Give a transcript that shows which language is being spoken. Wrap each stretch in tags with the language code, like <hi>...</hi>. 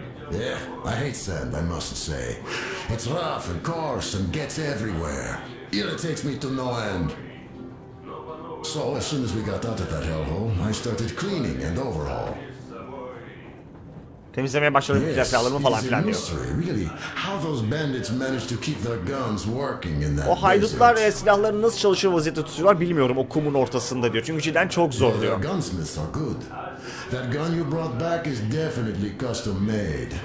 <en>Yeah, I hate sand, I must say. It's rough and coarse and gets everywhere. Irritates me to no end. So as soon as we got out of that hellhole, I started cleaning and overhaul.</en> <tr>Temizlemeye başladım, güzel silahlarımı falan filan diyor.</tr> <en>Mystery, really. How those bandits managed to keep their guns working in that desert?</en> <tr>O haydutlar silahlarını nasıl çalışır vaziyette tutuyorlar bilmiyorum o kumun ortasında diyor. Çünkü cidden çok zor diyor.</tr> <en>Their gunsmiths are good. That gun you brought back is definitely custom made.</en>